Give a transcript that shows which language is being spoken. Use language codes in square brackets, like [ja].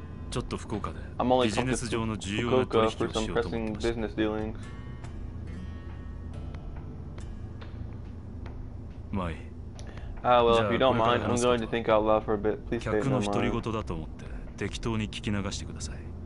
[ja] ちょっと福岡で、ビジネス上の重要な取引をしようと思ってました。 [en] I'm only coming to Fukuoka for some pressing business dealings. Well, if you don't mind, I'm going to think out loud for a bit. Please stay in mind. [ja] 客の独り言だと思って、適当に聞き流してください。